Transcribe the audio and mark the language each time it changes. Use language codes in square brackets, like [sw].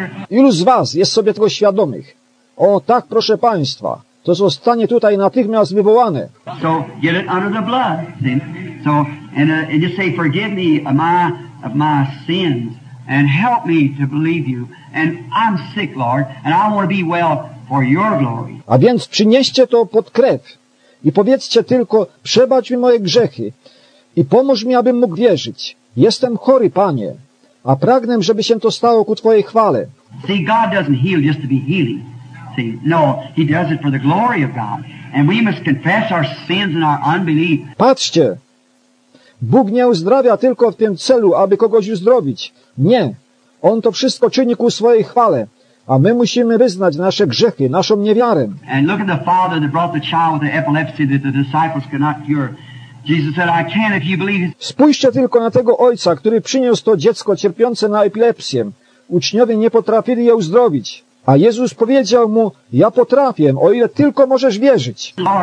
[pl] Ilu z was jest sobie tego świadomych? O tak, proszę państwa, to zostanie tutaj natychmiast wywołane. [en] So get it under the blood. So and just say, forgive me of my sins and help me to believe you. And I'm sick, Lord, and I want to be well for your glory. [pl] A więc przynieście to pod krew i powiedzcie tylko, przebacz mi moje grzechy i pomóż mi, abym mógł wierzyć. Jestem chory, Panie, a pragnę, żeby się to stało ku Twojej chwale. [en] See, God doesn't heal just to be healing. No, he does it for the glory of God. And we must confess our sins and our unbelief. [pl] Patrzcie, Bóg nie uzdrawia tylko w tym celu, aby kogoś uzdrowić. Nie, On to wszystko czyni ku swojej chwale, a my musimy wyznać nasze grzechy, naszą niewiarę. [en] And look at the father that brought the child with the epilepsy that the disciples could not cure. Jesus said, I can if you believe. [pl] Spójrzcie tylko na tego ojca, który przyniósł to dziecko cierpiące na epilepsję. Uczniowie nie potrafili je uzdrowić. A Jezus powiedział mu, ja potrafię, o ile tylko możesz wierzyć.